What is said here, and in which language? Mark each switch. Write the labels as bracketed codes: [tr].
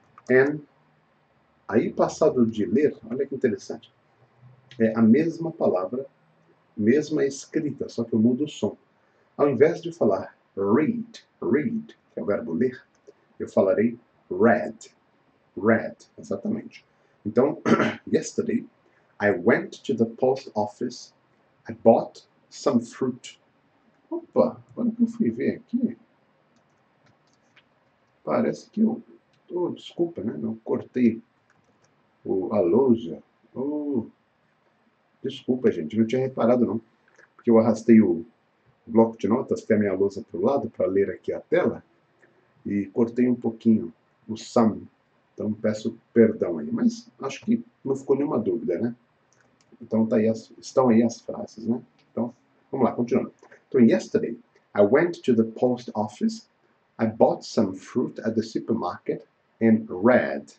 [pt] And, aí passado de ler, olha que interessante. É a mesma palavra, mesma escrita, só que eu mudo o som. Ao invés de falar read, read, que é o verbo ler, eu falarei read, read, exatamente. [en] Então, yesterday, I went to the post office. I bought some fruit. [pt] Opa, agora que eu fui ver aqui, parece que eu Oh, desculpa, né? Não cortei a lousa. Oh, desculpa, gente, não tinha reparado, não. Porque eu arrastei o bloco de notas, até a minha lousa para o lado, para ler aqui a tela, e cortei um pouquinho o sam. Então peço perdão aí. Mas acho que não ficou nenhuma dúvida, né? Então tá aí estão aí as frases, né? Então, vamos lá, continuando. [en] Então, yesterday, I went to the post office. I bought some fruit at the supermarket and read.